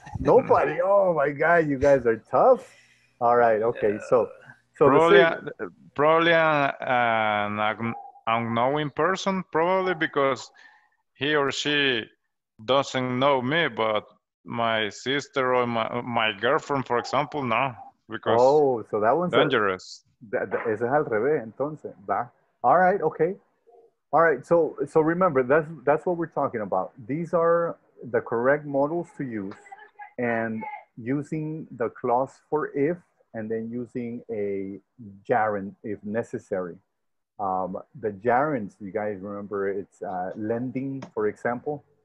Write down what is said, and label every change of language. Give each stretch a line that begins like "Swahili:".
English: Nobody. Oh, my God. You guys are tough. All right. Okay. So probably an unknowing person, probably because he or she doesn't know me, but my sister or my girlfriend, for example, no. Because so that one's dangerous.
Spanish: Ese es al revés, entonces. Va.
English: All right, okay. All right, so remember, that's what we're talking about. These are the correct models to use, and using the clause for if, and then using a gerund if necessary. The gerunds, you guys remember, it's lending, for example.